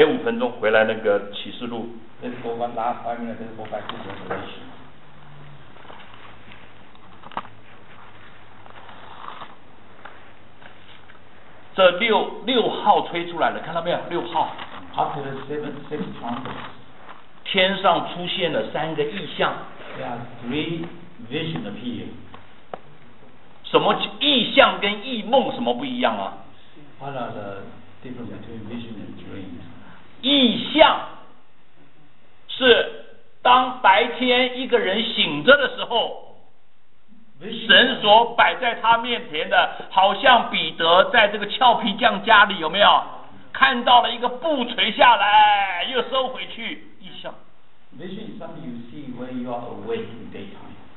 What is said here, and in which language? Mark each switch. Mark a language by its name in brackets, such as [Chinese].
[Chinese] 有五分钟回来那个启示录。 [English] Let's go one last time and let's go back to the Revelation. [Chinese] 这六号吹出来了，看到没有？六号。 [English] appeared six trumpets. [Chinese] 天上出现了三个异象。 [English] There are three visions appeared. [Chinese] 什么异象跟异梦什么不一样啊？ [English] What are the difference between vision and dream? [Chinese] 异象是当白天一个人醒着的时候，神所摆在他面前的，好像彼得在这个俏皮匠家里有没有看到了一个布垂下来又收回去，异象。 [English] Vision is something you see when you are awake in daytime.